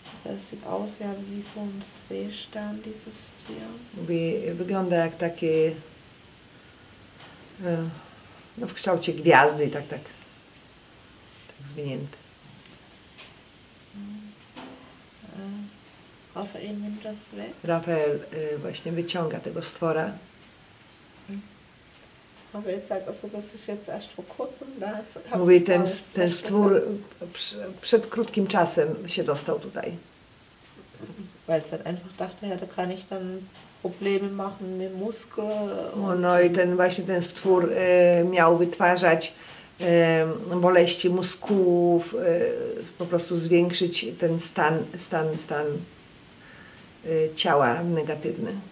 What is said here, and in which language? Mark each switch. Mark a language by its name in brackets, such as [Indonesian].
[German] Das sieht aus ja wie so ein Seestern, dieses Tier. [Polish] Wygląda jak takie, no w kształcie gwiazdy, tak. Zwinięty. [German] Rafael nimmt das weg. [Polish] Rafael właśnie wyciąga tego stwora. [German] Aber jetzt sag also, das ist jetzt erst vor kurzem da. [Polish] Mówi, ten stwór przed krótkim czasem się dostał tutaj. [German] Weil es halt einfach dachte, ja, da kann ich dann Probleme machen mit Muskeln. [Polish] No i ten właśnie ten stwór miał wytwarzać boleści mózgów, po prostu zwiększyć ten stan ciała negatywny.